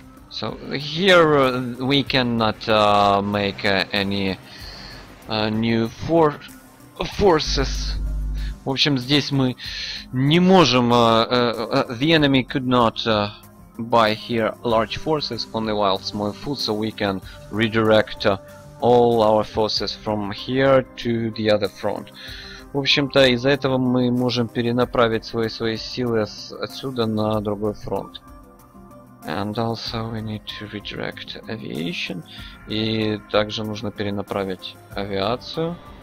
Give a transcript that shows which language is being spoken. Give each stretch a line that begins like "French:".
English: So, here we cannot make any new forces.
Russian: В общем, здесь мы не можем.
English: The enemy could not buy here large forces, only while small food, so we can redirect all our forces from here to the other front.
Russian: В общем-то, из-за этого мы можем перенаправить свои силы отсюда на другой фронт.
English: And also we need to redirect aviation.
Russian: И также нужно перенаправить авиацию.